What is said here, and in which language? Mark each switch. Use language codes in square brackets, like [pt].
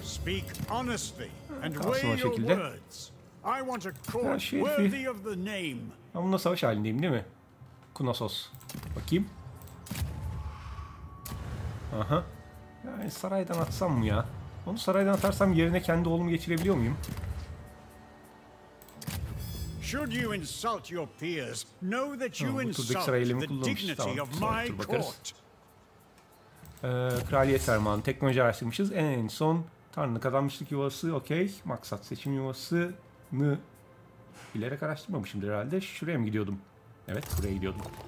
[en] Speak honestly and weigh your words. I want a court worthy of the name. [tr] Ama bunda savaş halindeyim değil mi? Knossos. Bakayım. Aha. Yani saraydan atsam mı ya? Onu saraydan atarsam yerine kendi oğlumu geçirebiliyor muyum? [en] Should you insult your peers, know that you insult the dignity of my court. [tr] Kraliyet fermanı. Teknoloji araştırmışız. En son tanrılık adanmışlık yuvası. Okey. Maksat seçim yuvasını bilerek araştırmamışımdır herhalde. Şuraya mı gidiyordum? Evet, buraya gidiyordum.